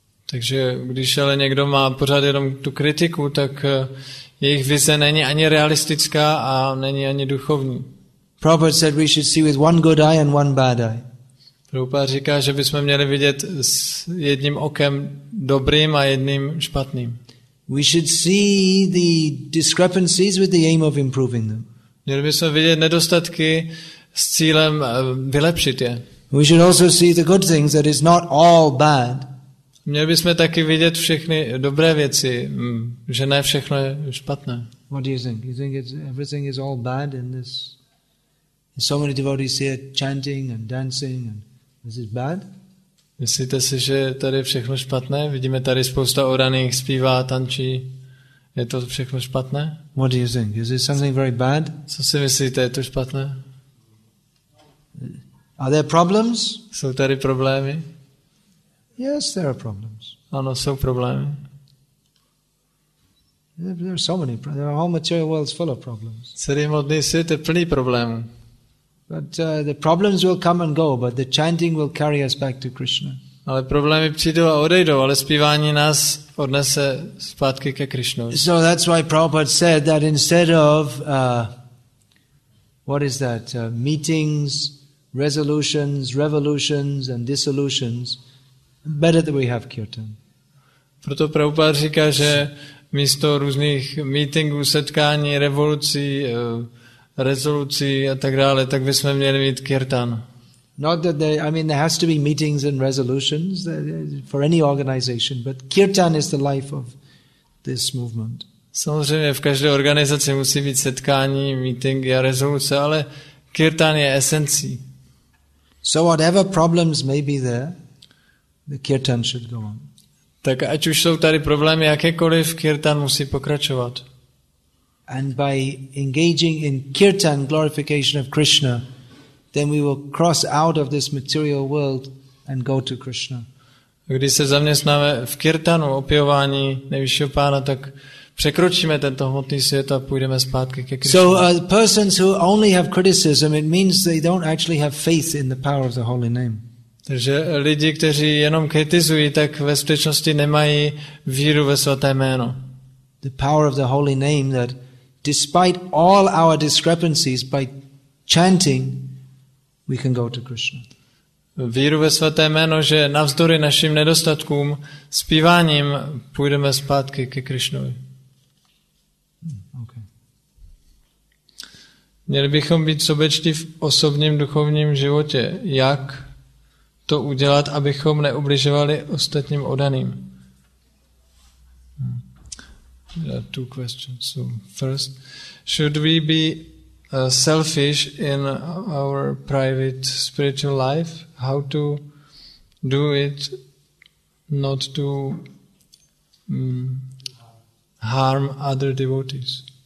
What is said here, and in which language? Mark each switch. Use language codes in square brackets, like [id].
[cs] Takže když ale někdo má pořád jenom tu kritiku, tak jejich vize není ani realistická a není ani duchovní. [en] Prabhupada said we should see with one good eye and one bad eye. [cs] Prabhupada říká, že bychom měli vidět s jedním okem dobrým a jedním špatným. [en] We should see the discrepancies with the aim of improving them. [cs] Měli bychom vidět nedostatky s cílem vylepšit je. [en] We should also see the good things, that is not all bad. [cs] Měli bychom taky vidět všechny dobré věci, že ne všechno je špatné. [en] What do you think? You think everything is all bad in this? So many devotees here chanting and dancing, and this is bad? [cs] Myslíte si, že tady je všechno špatné? Vidíme tady spousta oraných, zpívá, tančí. Je to všechno špatné? [en] What do you think? Is it something very bad? [cs] Co si myslíte, je to špatné? [en] Are there problems? [cs] Jsou tady problémy? [en] Yes, there are problems. [cs] Ano, jsou problémy. [en] There are so many problems. The whole material world is full of problems. [cs] Celý hmotný svět je plný problémů. [en] But the problems will come and go, but the chanting will carry us back to Krishna. [cs] Ale problémy přijdou a odejdou, ale zpívání nás odnese zpátky ke Krishnovi. [en] So that's why Prabhupada said that instead of what is that? Meetings, resolutions, revolutions and dissolutions, better that we have kirtan. [cs] Proto Prabhupada říká, že místo různých meetingů, setkání, revolucí, rezolucí a tak dále, tak bychom měli mít kirtan. [en] Not that they, I mean, there has to be meetings and resolutions for any organization, but kirtan is the life of this movement. [cs] Samozřejmě v každé organizaci musí být setkání, meetingy a rezoluce, ale kirtan je esencí. [en] So whatever problems may be there, the kirtan should go on. [cs] Tak ať už jsou tady problémy jakékoliv, kirtan musí pokračovat. [en] And by engaging in kirtan glorification of Krishna, then we will cross out of this material world and go to Krishna. [cs] Když se zaměstnáme v kirtanu, opěvání nejvyššího pána, tak překročíme tento hmotný svět a půjdeme zpátky ke Krishna. [en] So persons who only have criticism, it means they don't actually have faith in the power of the holy name. [cs] Takže lidi, kteří jenom kritizují, tak ve skutečnosti nemají víru ve svaté jméno. [en] The power of the holy name, that despite all our discrepancies, by chanting, we can go to Krishna. [cs] Víru ve svaté jméno, že navzdory našim nedostatkům, zpíváním půjdeme zpátky ke Krišnovi. [en] Okay. [cs] Měli bychom být sobečtí v osobním duchovním životě. Jak to udělat, abychom neubližovali ostatním oddaným? [en] There are two questions. So first, should we be selfish in our private spiritual life? How to do it not to harm other devotees?